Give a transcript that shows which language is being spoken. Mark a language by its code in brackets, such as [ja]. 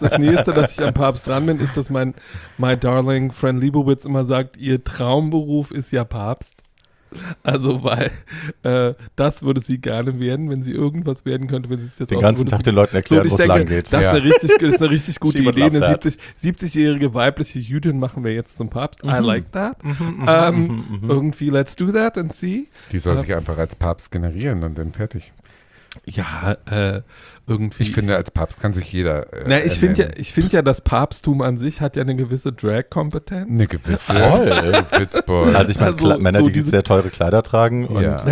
[de] Das Nächste, dass ich am Papst dran bin, ist, dass mein darling Fran Lebowitz immer sagt, ihr Traumberuf ist ja Papst. Also, weil das würde sie gerne werden, wenn sie irgendwas werden könnte, wenn sie es jetzt auch den ganzen Tag den Leuten erklären, wo es lang geht. Das ist eine richtig gute Idee. Eine 70-jährige weibliche Jüdin machen wir jetzt zum Papst. [en] Mhm. I like that. Mhm, irgendwie, let's do that and see. [de] Die soll sich einfach als Papst generieren und dann fertig. Ja, irgendwie. Ich finde, als Papst kann sich jeder. Ich finde ja, das Papsttum an sich hat ja eine gewisse Drag-Kompetenz. Eine gewisse. Witzboy. Also, ich meine, also, Männer, so die sehr teure Kleider tragen und